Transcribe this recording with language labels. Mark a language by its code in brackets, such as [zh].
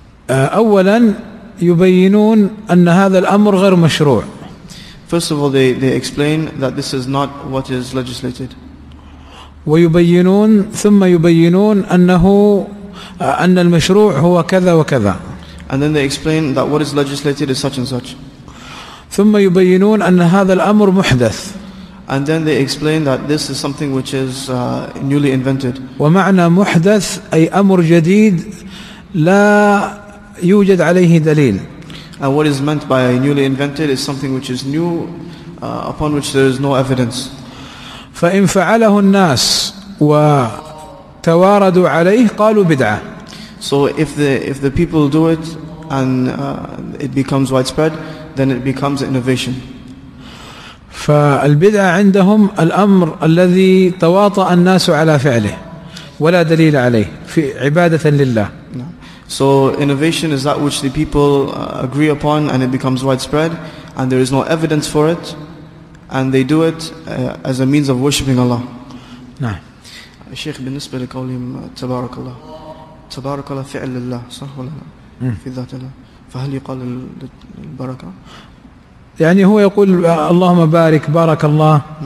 [ar] أولا يبينون أن هذا الأمر غير مشروع. [en] First of all, they explain that this is not what is legislated. [ar] ويبينون ثم يبينون أن المشروع هو كذا وكذا. [en] And then they explain that what is legislated is such and such. [ar] ثم يبينون أن هذا الأمر محدث. [en] And then they explain that this is something which is newly invented. [ar] ومعنى محدث أي أمر جديد لا يوجد عليه دليل. [en] And what is meant by newly invented is something which is new upon which there is no evidence. [ar] فإن فعله الناس وتواردوا عليه قالوا بدعة. [en] So if the people do it and it becomes widespread, then it becomes innovation. [ar] فالبدعة عندهم الأمر الذي تواطأ الناس على فعله ولا دليل عليه في عبادة لله. [en] So innovation is that which the people agree upon and it becomes widespread and there is no evidence for it. And they do it as a means of worshipping Allah. [ar] نعم. الشيخ بالنسبة لقولهم تبارك الله. تبارك الله فعل الله صح ولا لا؟ في ذات الله. فهل يقال البركة؟ يعني هو يقول اللهم بارك بارك الله.